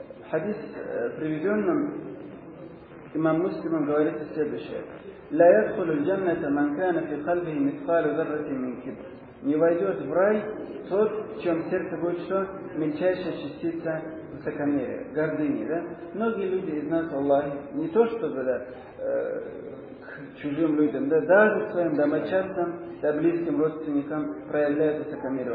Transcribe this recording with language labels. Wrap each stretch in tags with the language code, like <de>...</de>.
<ru>Хадис, приведенным имам Муслимом, говорит следующее.</ru> <ar>لا يدخل الجنة من كان في قلبه مثقال ذرة من كبر.</ar> <ru>Не войдет в рай тот, в чем сердце будет что? Мельчайшая частица высокомерия, гордыни. Да? Многие люди из нас, Аллах, не то чтобы, да, к чужим людям, да, даже своим домочадцам, да, близким родственникам проявляют высокомерие.</ru>